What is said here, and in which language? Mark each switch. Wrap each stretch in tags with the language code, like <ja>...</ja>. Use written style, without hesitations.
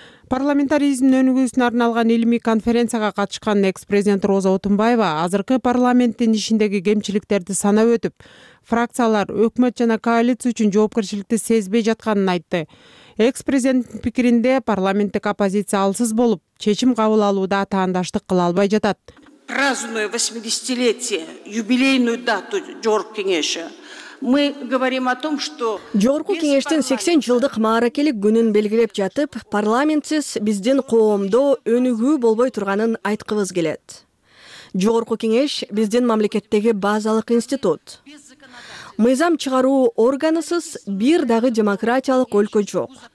<ky>Парламентаризмдин өнүгүүсүнө арналган илимий конференцияга катышкан экс-президент Роза Отунбаева азыркы парламенттин ишиндеги кемчиликтерди санап өтүп, фракциялар өкмөт жана коалиция үчүн жоопкерчиликти сезбей жатканын айтты. Экс-президенттин пикиринде парламенттик оппозиция алсыз болуп, чечим кабыл алууда атаандаштык кыла албай жатат.</ky> <ru>Празднуя 80-летие, юбилейную дату Жогорку Кеңеши, мы говорим о том, что</ru> <ky>Жогорку кеңештин 80 жылдык мааракелик күнүн белгилеп жатып, парламентсиз биздин коомдо өнүгүү болбой турганын айткыбыз келет. Жогорку кеңеш биздин мамлекеттеги базалык институт. Мыйзам чыгаруу органысыз бир дагы демократиялык өлкө жок.</ky>